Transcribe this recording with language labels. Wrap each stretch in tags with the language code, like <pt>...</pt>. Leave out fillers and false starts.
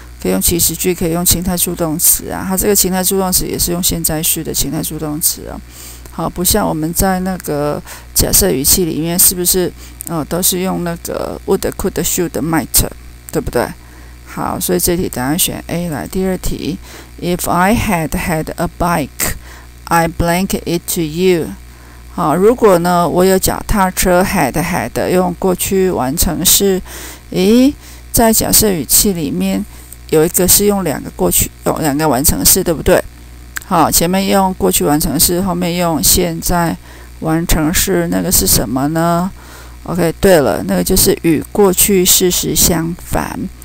<zh>可以用祈使句，可以用情态助动词啊。它这个情态助动词也是用现在式的情态助动词啊。好，不像我们在那个假设语气里面，是不是都是用那个 would, could, should, might， 对不对？好，所以这题答案选 A 来。第二题</zh> <en>，If I had had a bike, I blank it to you。</en> <zh>好，如果呢我有脚踏车 ，had had 用过去完成式，诶，在假设语气里面。有一个是用两个过去，用两个完成式，对不对？好，前面用过去完成式，后面用现在完成式，那个是什么呢 ？OK， 对了，那个就是与过去事实相反。</zh>